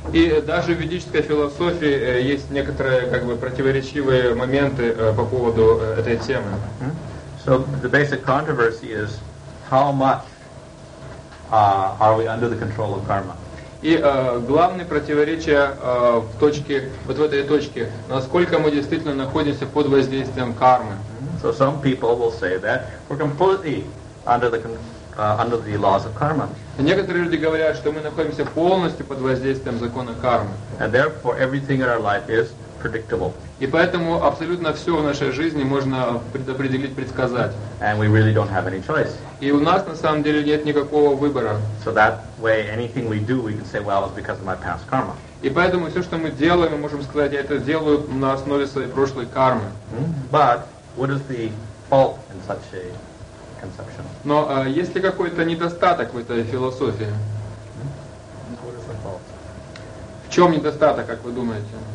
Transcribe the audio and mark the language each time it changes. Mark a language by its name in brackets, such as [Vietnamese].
[Russian] И даже в ведической философии есть некоторые противоречивые моменты по поводу этой темы. [English] So the basic controversy is how much are we under the control of karma? [Russian] И главное противоречие в точке, вот в этой точке, насколько мы действительно находимся под воздействием кармы. [English] So some people will say that we're completely under the under the laws of karma. [Russian] Некоторые люди говорят, что мы находимся полностью под воздействием закона кармы. [English] And therefore everything in our life is predictable. [Russian] И поэтому абсолютно все в нашей жизни можно предопределить, предсказать. [English] And we really don't have any choice. [Russian] И у нас на самом деле нет никакого выбора. [English] So that way anything we do, we can say, well, it's because of my past karma. [Russian] И поэтому все, что мы делаем, мы можем сказать, я это делаю на основе своей прошлой кармы. [English] But what is the fault in such a conception? [Russian] Но есть ли какой-то недостаток в этой философии? [English] What is the fault? [Russian] В чем недостаток, как вы думаете?